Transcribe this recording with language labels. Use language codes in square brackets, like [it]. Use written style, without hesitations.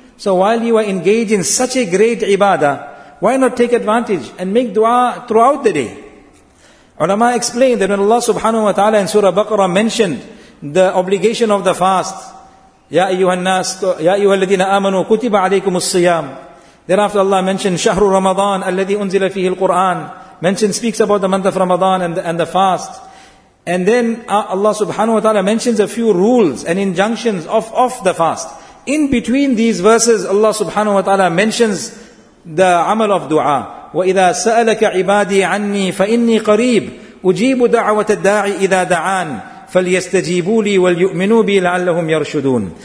[en] So while you are engaged in such a great ibadah, why not take advantage and make dua throughout the day? Ulama explained that when Allah subhanahu wa ta'ala in Surah Baqarah mentioned the obligation of the fast, [ar] يَا أَيُّهَا النَّاسُ يَا أَيُّهَا الَّذِينَ آمَنُوا كُتِبَ عَلَيْكُمُ الصِّيَامِ. [en] Thereafter Allah mentioned [ar] شَهْرُ رَمَضَانَ الَّذِي أُنزِلَ فِيهِ الْقُرْآنِ. [en] Mention speaks about the month of Ramadan and the fast. And then Allah subhanahu wa ta'ala mentions a few rules and injunctions of the fast. In between these verses, Allah subhanahu wa ta'ala mentions the amal of dua. [ar] وَإِذَا سَأَلَكَ عِبَادِي عَنِّي فَإِنِّي قَرِيبُ أُجِيبُ دَعْوَةَ الدَّاعِ إِذَا دَعَانِ فَلْيَسْتَجِيبُوا لِي وَلْيُؤْمِنُوا بِي لَعَلَّهُمْ يَرْشُدُونَ.